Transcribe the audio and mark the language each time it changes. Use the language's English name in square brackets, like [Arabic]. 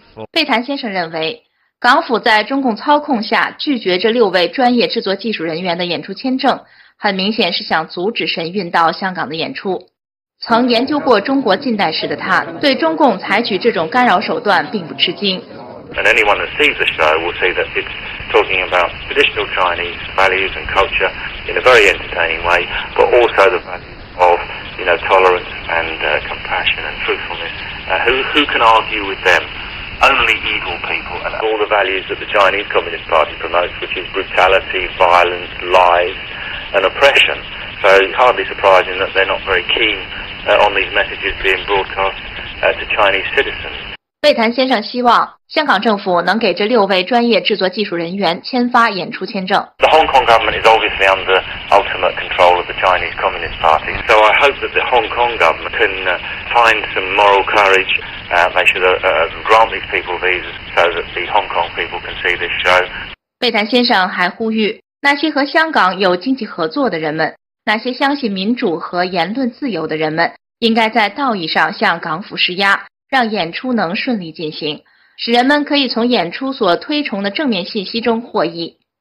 [Chinese] 贝谭先生认为，港府在中共操控下拒绝这六位专业制作技术人员的演出签证，很明显是想阻止神韵到香港的演出。曾研究过中国近代史的他，对中共采取这种干扰手段并不吃惊。 [English] And anyone that sees the show will see that it's talking about traditional Chinese values and culture in a very entertaining way, but also the values of, you know, tolerance and compassion and truthfulness. Who can argue with them? Only evil people and all the values that the Chinese Communist Party promotes, which is brutality, violence, lies, and oppression. So it's hardly surprising that they're not very keen on these messages being broadcast to Chinese citizens. [Chinese] 贝谭先生希望香港政府能给这六位专业制作技术人员签发演出签证。 [English] The Hong Kong government is obviously under ultimate control of the Chinese Communist Party. So I hope that the Hong Kong government can find some moral courage. They should grant these people visas so that the Hong Kong people can see this show. [Chinese] 贝谭先生还呼吁那些和香港有经济合作的人们，那些相信民主和言论自由的人们，应该在道义上向港府施压，让演出能顺利进行，使人们可以从演出所推崇的正面信息中获益。